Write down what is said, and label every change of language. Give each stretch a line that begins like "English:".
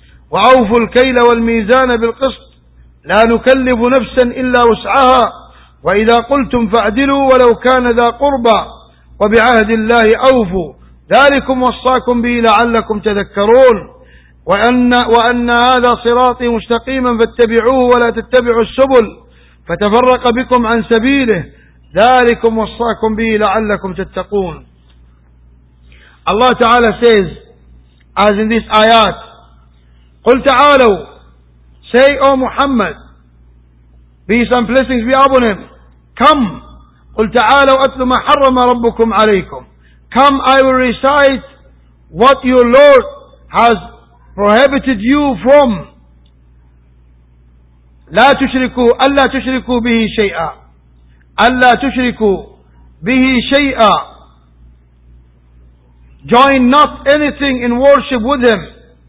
Arabic: وأوفوا الكيل والميزان بالقسط لا نكلف نفسا إلا وسعها وإذا قلتم فاعدلوا ولو كان ذا قربى وبعهد الله أوفوا ذلكم وصاكم به لعلكم تذكرون وأن هذا صراطي مستقيما فاتبعوه ولا تتبعوا السبل فتفرق بكم عن سبيله ذلكم وصاكم به لعلكم تتقون.
English: الله تعالى says as in this ayat,
Arabic: قل تعالوا,
English: say O Muhammad, peace and blessings be upon him, come,
Arabic: قل تعالوا أتلو ما حرم ربكم عليكم,
English: come I will recite what your Lord has prohibited you from.
Arabic: لا تشركوا, ألا تشركوا به شيئا, ألا تشركوا به شيئا,
English: join not anything in worship with him.